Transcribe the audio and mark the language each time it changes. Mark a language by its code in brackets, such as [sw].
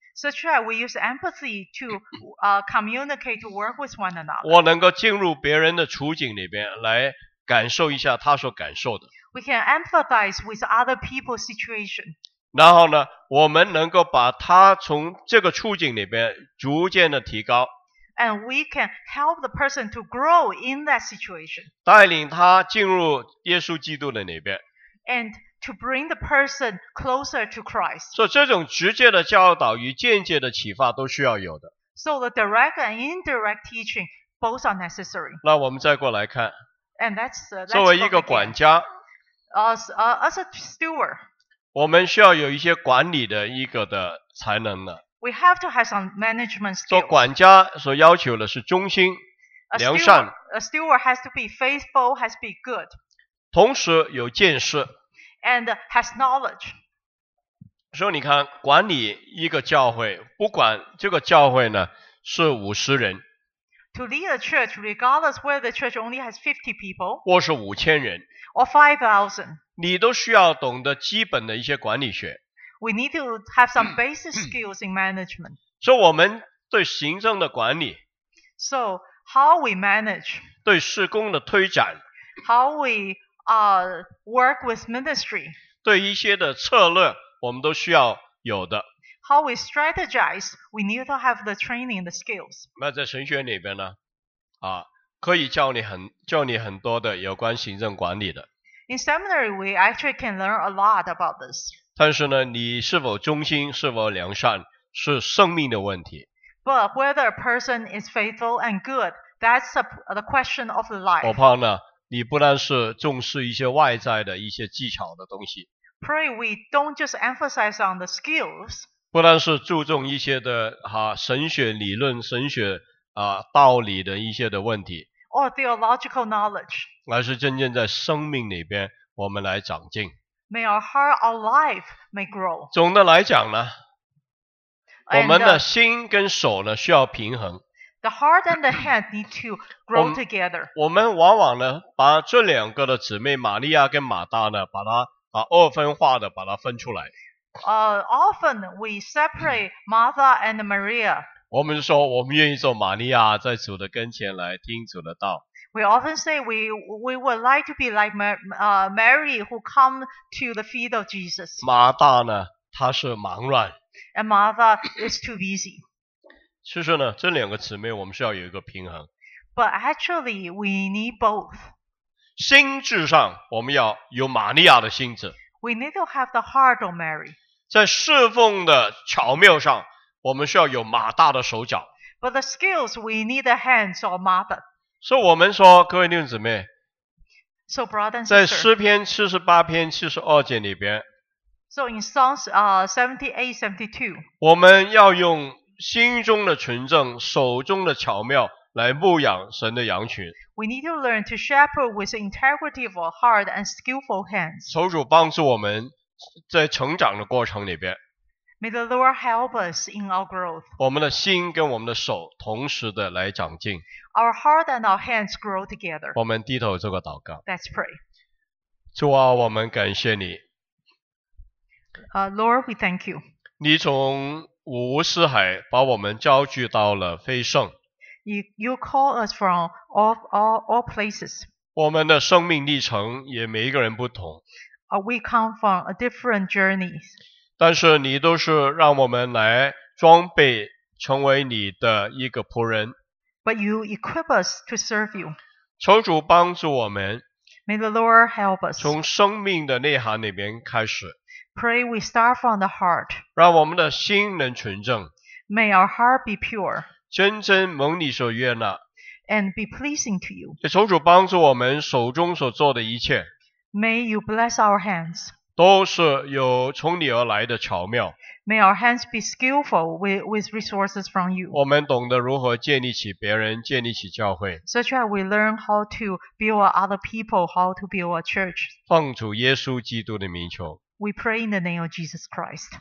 [en] Such that we use empathy to communicate to work with one another. [zh] 我能够进入别人的处境里边来感受一下他所感受的。 [en] We can empathize with other people's situation. [zh] 然后呢，我们能够把他从这个处境里边逐渐的提高。 [en] And we can help the person to grow in that situation. [zh] 带领他进入耶稣基督的里边。 [en] And to bring the person closer to Christ. [zh] 所以这种直接的教导与间接的启发都需要有的。 [en] So the direct and indirect teaching both are necessary. [zh] 那我们再过来看。 [en] And that's, that's [zh] 作为一个管家。 [en] As a steward. [zh] 我们需要有一些管理的一个的才能的。 [en] We have to have some management skills. [zh] 做管家所要求的是忠心、良善。 [en] A steward has to be faithful, has to be good. [zh] 同时有见识。 [en] And has knowledge. [zh] 所以你看，管理一个教会，不管这个教会呢是五十人。 [en] To lead a church, regardless whether the church only has 50 people. [zh] 或是五千人。 [en] Or 5,000. [zh] 你都需要懂得基本的一些管理学。 [en] We need to have some basic skills in management. [zh] 所以我们对行政的管理。 [en] So how we manage. [zh] 对事工的推展。 [en] How we work with ministry. [zh] 对一些的策略我们都需要有的。 [en] How we strategize, we need to have the training and the skills. [zh] 那在神学里边呢可以教你很多的有关行政管理的。 [en] In seminary, we actually can learn a lot about this. [zh] 但是呢，你是否忠心，是否良善，是生命的问题。 [en] But whether a person is faithful and good, that's the question of life. [zh] 我怕呢，你不但是重视一些外在的一些技巧的东西。 [en] Pray we don't just emphasize on the skills. [zh] 不但是注重一些的神学理论、神学道理的一些的问题。 [en] Or theological knowledge. [zh] 而是真正在生命里边我们来长进。 [en] May our heart, our life may grow. [zh] 总的来讲呢，我们的心跟手呢需要平衡。 [en] The heart and the hand need to grow together. [zh] 我们往往呢，把这两个的姊妹玛利亚跟马大呢，把二分化的把它分出来。 [en] Often we separate Martha and Maria. [zh] 我们说我们愿意做玛利亚，在主的跟前来听主的道。 [en] We often say we would like to be like Mary who come to the feet of Jesus. [zh] 马大呢，他是忙乱。 [en] And Martha is too busy. [zh] 其实呢，这两个姊妹我们需要有一个平衡。 [en] But actually, we need both. [zh] 心智上，我们要有玛利亚的心智。 [en] We need to have the heart of Mary. [zh] 在侍奉的巧妙上，我们需要有马大的手脚。 [en] But the skills, we need the hands of Martha. [zh] 所以我们说，各位弟兄姊妹， [en] so, brother and sister, [zh] 在诗篇七十八篇七十二节里边。 [en] So in Psalms 78-72, [zh] 我们要用心中的纯正，手中的巧妙来牧养神的羊群。 [en] We need to learn to shepherd with the integrity of our heart and skillful hands. [zh] 求主帮助我们在成长的过程里边。 [en] May the Lord help us in our growth. [zh] 我们的心跟我们的手同时的来长进。 [en] Our heart and our hands grow together. [zh] 我们低头做个祷告。 [en] Let's pray. [zh] 主啊，我们感谢你。 [en] Lord, we thank you. [zh] 你从五湖四海把我们召聚到了飞圣。 [en] You call us from all places. [zh] 我们的生命历程也每一个人不同。 [en] We come from a different journey. [zh] 但是你都是让我们来装备成为你的一个仆人。 [en] But you equip us to serve you. [zh] 求主帮助我们。 [en] May the Lord help us. [zh] 从生命的内涵里面开始。 [en] Pray we start from the heart. [zh] 让我们的心能纯正。 [en] May our heart be pure. [zh] 真真蒙你所悦纳。 [en] And be pleasing to you. [zh] 求主帮助我们手中所做的一切。 [en] May you bless our hands. [zh] 都是有从你而来的巧妙。 [en] May our hands be skillful with resources from you. [zh] 我们懂得如何建立起别人，建立起教会。 [en] Such that we learn how to build other people, how to build a church. [zh] 奉主耶稣基督的名求。 [en] We pray in the name of Jesus Christ.